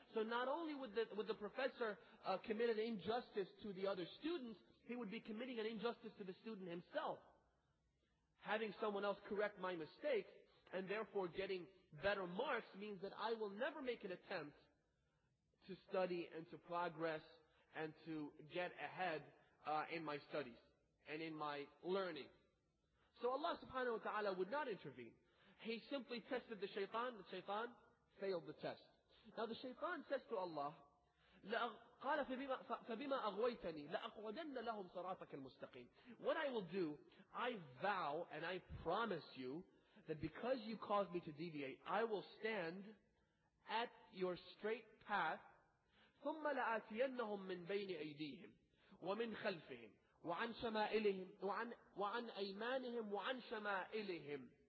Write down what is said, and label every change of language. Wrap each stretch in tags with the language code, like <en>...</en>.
<en>So not only would the professor commit an injustice to the other students, he would be committing an injustice to the student himself, having someone else correct my mistake, and therefore getting better marks means that I will never make an attempt to study and to progress and to get ahead in my studies and in my learning. So Allah subhanahu wa ta'ala would not intervene. He simply tested the shaitan failed the test. Now the shaitan says to Allah,</en> <ar>قَالَ فَبِمَا أَغْوَيْتَنِي لَأَقْعُدَنَّ لَهُمْ صَرَاطَكَ الْمُسْتَقِيمِ.</ar> <en>What I will do, I vow and I promise you that because you caused me to deviate, I will stand at your straight path.</en> <ar>ثُمَّ لَآتِيَنَّهُمْ مِنْ بَيْنِ أَيْدِيهِمْ وَمِنْ خَلْفِهِمْ وَعَنْ شَمَائِلِهِمْ وَعَنْ أَيْمَانِهِمْ وَعَنْ شَمَائِلِهِمْ.</ar>